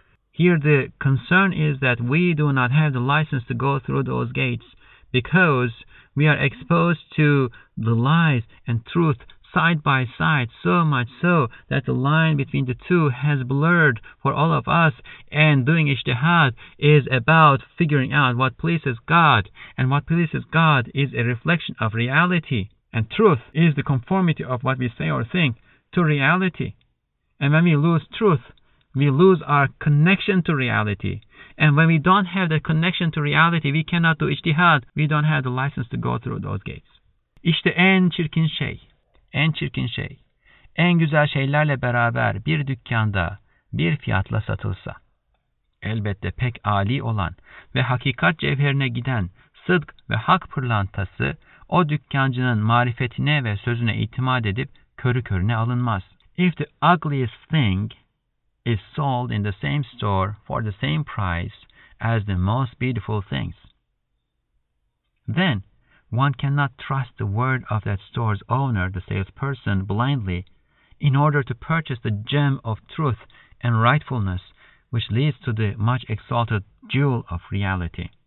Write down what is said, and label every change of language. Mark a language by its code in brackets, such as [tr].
[en] Here the concern is that we do not have the license to go through those gates because we are exposed to the lies and truth side by side so much so that the line between the two has blurred for all of us, and doing ijtihad is about figuring out what pleases God, and what pleases God is a reflection of reality, and truth is the conformity of what we say or think to reality. And when we lose truth, we lose our connection to reality. And when we don't have the connection to reality, we cannot do ijtihad. We don't have the license to go through those gates. [tr] İşte en çirkin şey, en çirkin şey, en güzel şeylerle beraber bir dükkanda bir fiyatla satılsa, elbette pek âli olan ve hakikat cevherine giden sıdk ve hak pırlantası o dükkancının marifetine ve sözüne itimat edip körü körüne alınmaz. [en] If the ugliest thing is sold in the same store for the same price as the most beautiful things, then one cannot trust the word of that store's owner, the salesperson, blindly in order to purchase the gem of truth and rightfulness which leads to the much exalted jewel of reality.